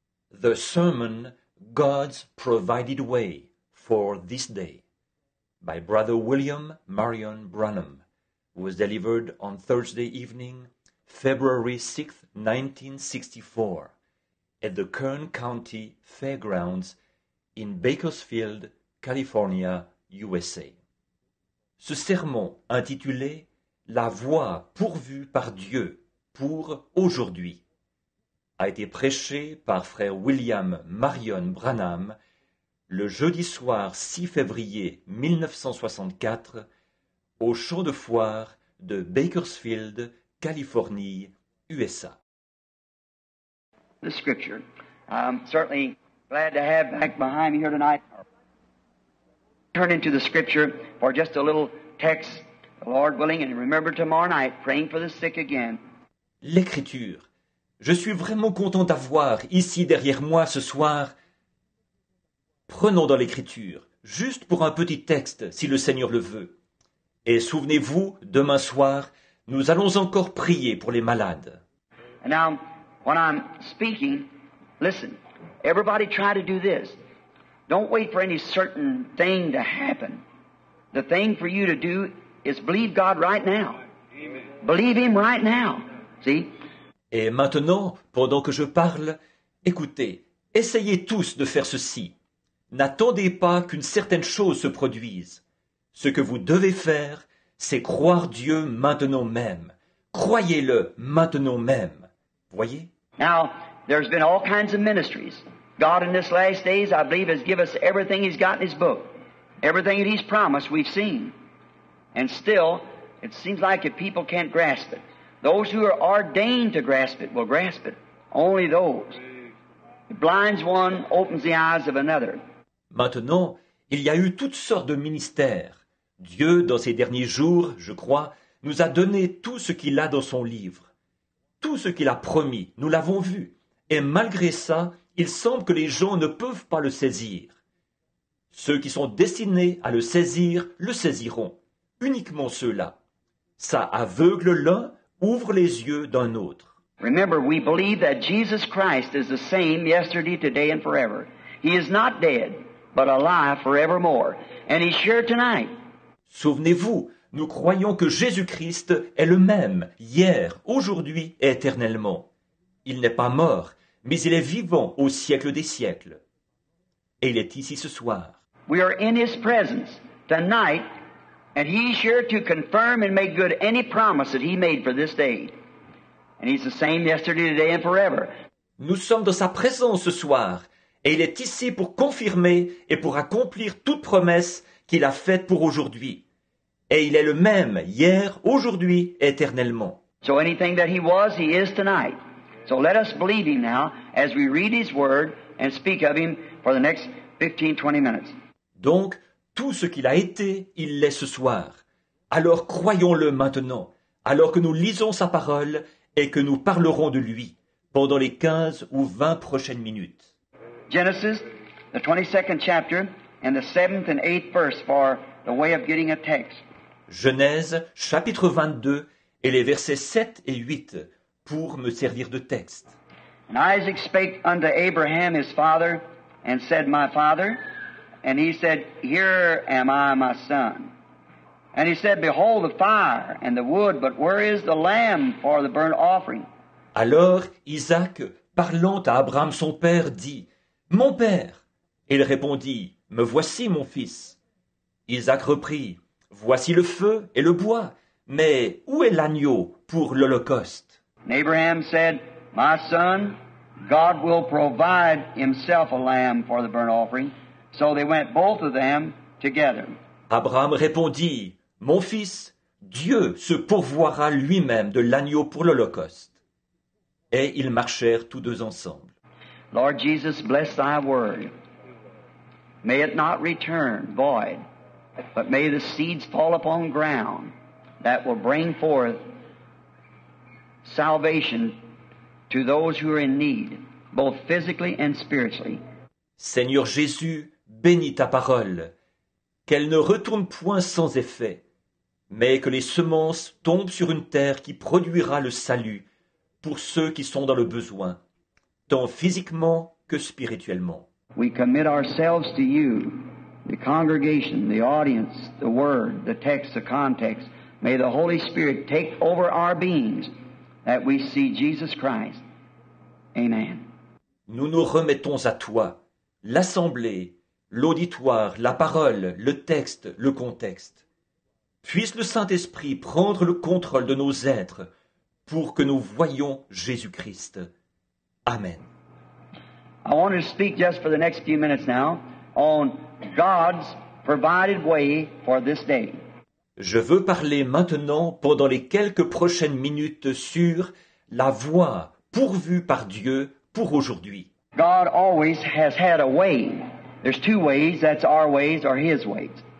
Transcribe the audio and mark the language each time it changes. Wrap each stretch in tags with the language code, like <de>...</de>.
<en>The Sermon, God's Provided Way for This Day, by Brother William Marion Branham, was delivered on Thursday evening, February 6, 1964, at the Kern County Fairgrounds in Bakersfield, California, USA.</en> <fr>Ce sermon intitulé « La voie pourvue par Dieu pour aujourd'hui » a été prêché par frère William Marion Branham le jeudi soir 6 février 1964 au champ de foire de Bakersfield, Californie, USA.</fr> <en>The scripture. I'm certainly glad to have back behind me here tonight. Turn into the scripture for just a little text, Lord willing, and remember tomorrow night praying for the sick again.</en> <fr>L'écriture. Je suis vraiment content d'avoir ici derrière moi ce soir. Prenons dans l'écriture, juste pour un petit texte, si le Seigneur le veut. Et souvenez-vous, demain soir, nous allons encore prier pour les malades.</fr> <en>And now, when I'm speaking, listen, everybody try to do this. Don't wait for any certain thing to happen. The thing for you to do is believe God right now. Amen. Believe Him right now. See?</en> <fr>Et maintenant, pendant que je parle, écoutez, essayez tous de faire ceci. N'attendez pas qu'une certaine chose se produise. Ce que vous devez faire, c'est croire Dieu maintenant même. Croyez-le maintenant même. Voyez?</fr> <en>Now, there's been all kinds of ministries. God in this last days, I believe, has given us everything He's got in His book. Everything that He's promised, we've seen. And still, it seems like if people can't grasp it. Those who are ordained to grasp it will grasp it. Only those. It blinds one, opens the eyes of another.</en> <fr>Maintenant, il y a eu toutes sortes de ministères. Dieu, dans ces derniers jours, je crois, nous a donné tout ce qu'il a dans son livre. Tout ce qu'il a promis, nous l'avons vu. Et malgré ça, il semble que les gens ne peuvent pas le saisir. Ceux qui sont destinés à le saisir, le saisiront. Uniquement ceux-là. Ça aveugle l'un, ouvre les yeux d'un autre.</fr> <en>Remember, we believe that Jesus Christ is the same yesterday, today, and forever. He is not dead, but alive forevermore. And He's here tonight.</en> <fr>Souvenez-vous, nous croyons que Jésus-Christ est le même, hier, aujourd'hui et éternellement. Il n'est pas mort, mais il est vivant au siècle des siècles. Et il est ici ce soir.</fr> <en>We are in His presence tonight. And He's here to confirm and make good any promise that He made for this day. And He's the same yesterday, today, and forever.</en> <fr>Nous sommes dans sa présence ce soir, et il est ici pour confirmer et pour accomplir toute promesse qu'il a faite pour aujourd'hui. Et il est le même hier, aujourd'hui, éternellement.</fr> <en>So anything that He was, He is tonight. So let us believe Him now as we read His word and speak of Him for the next 15-20 minutes.</en> <fr>Donc, tout ce qu'il a été, il l'est ce soir. Alors croyons-le maintenant, alors que nous lisons sa parole et que nous parlerons de lui pendant les 15 ou 20 prochaines minutes.</fr> <en>Genesis, the 22nd chapter, and the 7th and 8th verse for the way of getting a text.</en> <fr>Genèse, chapitre 22, et les versets 7 et 8, pour me servir de texte.</fr> <en>And Isaac spake unto Abraham his father, and said, My father... And he said, Here am I, my son. And he said, Behold the fire and the wood, but where is the lamb for the burnt offering?</en> <fr>Alors Isaac, parlant à Abraham son père, dit, Mon père. Il répondit, Me voici, mon fils. Isaac reprit, Voici le feu et le bois, mais où est l'agneau pour l'holocauste?</fr> <en>And Abraham said, My son, God will provide himself a lamb for the burnt offering. So they went both of them together.</en> <fr>Abraham répondit, Mon fils, Dieu se pourvoira lui-même de l'agneau pour l'holocauste. Et ils marchèrent tous deux ensemble.</fr> <en>Lord Jesus, bless thy word. May it not return void, but may the seeds fall upon ground that will bring forth salvation to those who are in need, both physically and spiritually.</en> <fr>Seigneur Jésus, bénis ta parole, qu'elle ne retourne point sans effet, mais que les semences tombent sur une terre qui produira le salut pour ceux qui sont dans le besoin, tant physiquement que spirituellement.</fr> <en>We commit ourselves to you, the congregation, the audience, the word, the text, the context. May the Holy Spirit take over our beings that we see Jesus Christ. Amen.</en> <fr>Nous nous remettons à toi, l'assemblée, l'auditoire, la parole, le texte, le contexte. Puisse le Saint-Esprit prendre le contrôle de nos êtres pour que nous voyions Jésus-Christ. Amen.</fr> <en>I want to speak just for the next few minutes now on God's provided way for this day.</en> <fr>Je veux parler maintenant pendant les quelques prochaines minutes sur la voie pourvue par Dieu pour aujourd'hui.</fr> <en>God always has had a way. There's two ways, that's our ways or his ways.</en>